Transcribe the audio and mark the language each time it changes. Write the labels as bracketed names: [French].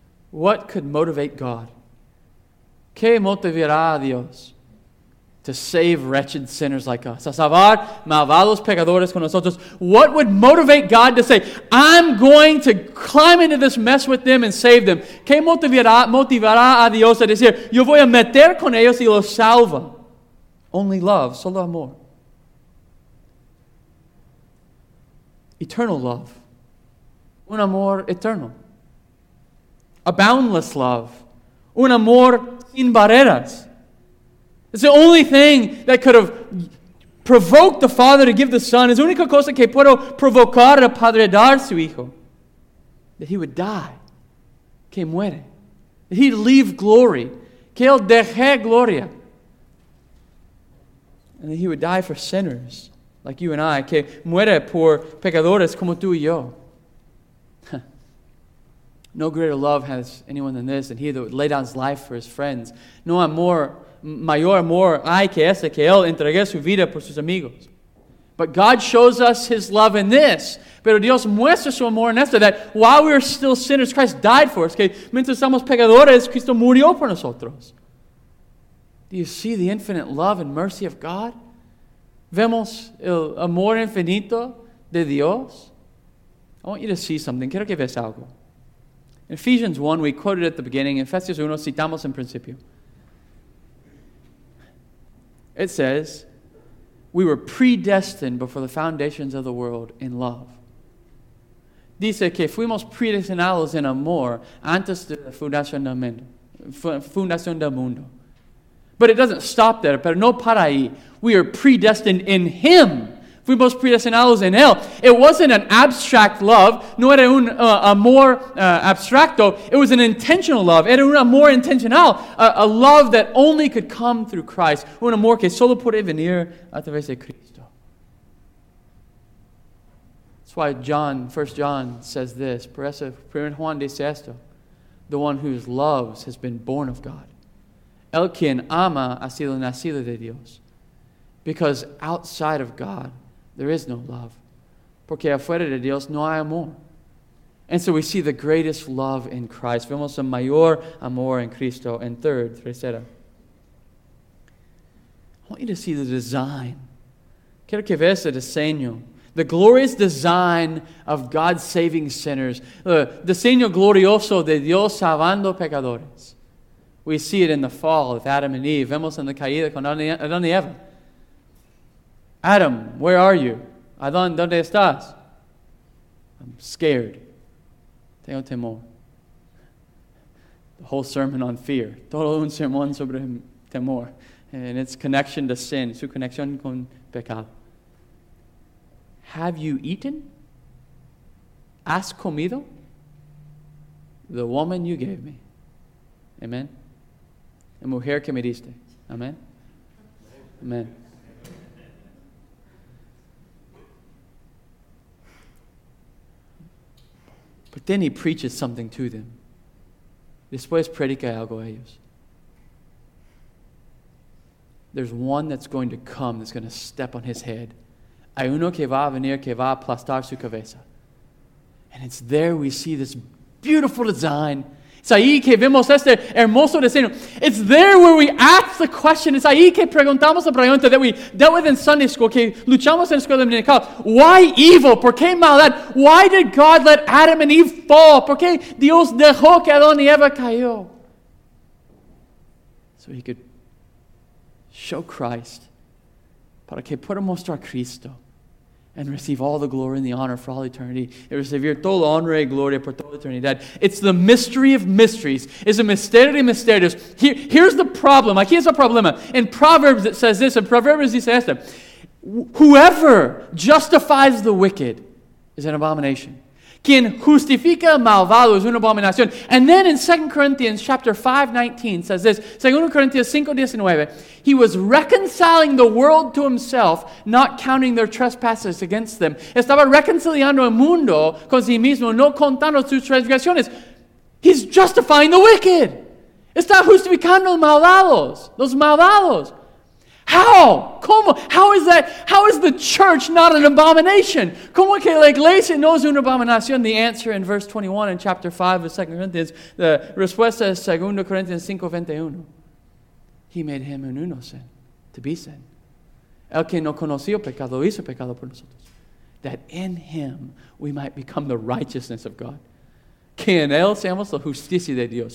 [English] What could motivate God? [Spanish] ¿Qué motivará a Dios? [English] To save wretched sinners like us. [Spanish] A salvar malvados pecadores con nosotros. [English] What would motivate God to say, I'm going to climb into this mess with them and save them? [Spanish] ¿Qué motivará a Dios a decir, yo voy a meter con ellos y los salvo? [English] Only love, [Spanish] solo amor. [English] Eternal love. [Spanish] Un amor eterno. [English] A boundless love. [Spanish] Un amor sin barreras. [English] It's the only thing that could have provoked the Father to give the Son. [Spanish] Es la única cosa que puedo provocar al Padre a dar su Hijo. [English] That He would die. [Spanish] Que muere. [English] That He'd leave glory. [Spanish] Que Él deje gloria. [English] And that He would die for sinners like you and I. [Spanish] Que muere por pecadores como tú y yo. [English] No greater love has anyone than this, than he that would lay down his life for his friends. [Spanish] No amor, mayor amor hay que ese, que él entregue su vida por sus amigos. [English] But God shows us his love in this. [Spanish] Pero Dios muestra su amor en esto, [English] that while we are still sinners, Christ died for us. [Spanish] Que mientras somos pecadores, Cristo murió por nosotros. [English] Do you see the infinite love and mercy of God? [Spanish] Vemos el amor infinito de Dios. [English] I want you to see something. [Spanish] Quiero que veas algo. [English] Ephesians 1, we quoted at the beginning. [Spanish] En Efesios 1, citamos en principio. [English] It says, we were predestined before the foundations of the world in love. [Spanish] Dice que fuimos predestinados en amor antes de la fundación del mundo. [English] But it doesn't stop there. [Spanish] Pero no para ahí. [English] We are predestined in Him. [Spanish] Fuimos predestinados en Él. [English] It wasn't an abstract love. [Spanish] No era un amor abstracto. [English] It was an intentional love. [Spanish] Era un amor intencional. [English] A love that only could come through Christ. [Spanish] Un amor que solo puede venir a través de Cristo. [English] That's why John, 1 John says this. [Spanish] Por eso, 1 Juan dice esto. [English] The one whose loves has been born of God. [Spanish] El quien ama ha sido nacido de Dios. [English] Because outside of God, there is no love. [Spanish] Porque afuera de Dios no hay amor. [English] And so we see the greatest love in Christ. [Spanish] Vemos el mayor amor en Cristo. [English] And third, [Spanish] tercera. [English] I want you to see the design. [Spanish] Quiero que veas el diseño. [English] The glorious design of God saving sinners. [Spanish] The diseño glorioso de Dios salvando pecadores. [English] We see it in the fall with Adam and Eve. [Spanish] Vemos en la caída con Adán y Eva. [English] Adam, where are you? [Spanish] Adán, ¿dónde estás? [English] I'm scared. [Spanish] Tengo temor. [English] The whole sermon on fear. [Spanish] Todo un sermón sobre temor. [English] And its connection to sin. [Spanish] Su conexión con pecado. [English] Have you eaten? [Spanish] ¿Has comido? [English] The woman you gave me. Amen. [Spanish] La mujer que me diste. [English] Amen. Amen. But then he preaches something to them. [Spanish] Después predica algo a ellos. [English] There's one that's going to come that's going to step on his head. [Spanish] Hay uno que va a venir que va a aplastar su cabeza. [English] And it's there we see this beautiful design. [Spanish] Es ahí que vemos este hermoso diseño. [English] It's there where we ask the question. [Spanish] Es ahí que preguntamos la pregunta [English] that we dealt with in Sunday school. [Spanish] Que luchamos en la escuela dominical. [English] Why evil? [Spanish] ¿Por qué maldad? [English] Why did God let Adam and Eve fall? [Spanish] ¿Por qué Dios dejó que Adán y Eva cayó? [English] So he could show Christ. [Spanish] Para que pueda mostrar Cristo. [English] And receive all the glory and the honor for all eternity. [Spanish] Y recibir toda la honra y gloria por toda la eternidad. [English] It's the mystery of mysteries. It's a [Spanish] misterio de misterios. [English] Here's the problem. [Spanish] Aquí es el problema. [English] In Proverbs it says this. In Proverbs [Spanish] dice esto. [English] Whoever justifies the wicked is an abomination. [Spanish] Quien justifica malvado es una abominación. [English] And then in 2 Corinthians chapter 5:19 says this, 2 Corinthians 5:19, he was reconciling the world to himself, not counting their trespasses against them. [Spanish] Estaba reconciliando el mundo con sí mismo, no contando sus transgresiones. [English] He's justifying the wicked. [Spanish] Está justificando los malvados. [English] How? [Spanish] ¿Cómo? [English] How is that? How is the church not an abomination? [Spanish] ¿Cómo que la iglesia no es una abominación? [English] The answer in verse 21 in chapter 5 of 2 Corinthians, the [Spanish] respuesta es [English] 2 Corinthians 5:21. He made him un uno sin, to be sin. [Spanish] El que no conoció pecado hizo pecado por nosotros. [English] That in him we might become the righteousness of God. [Spanish] Que en él seamos la justicia de Dios.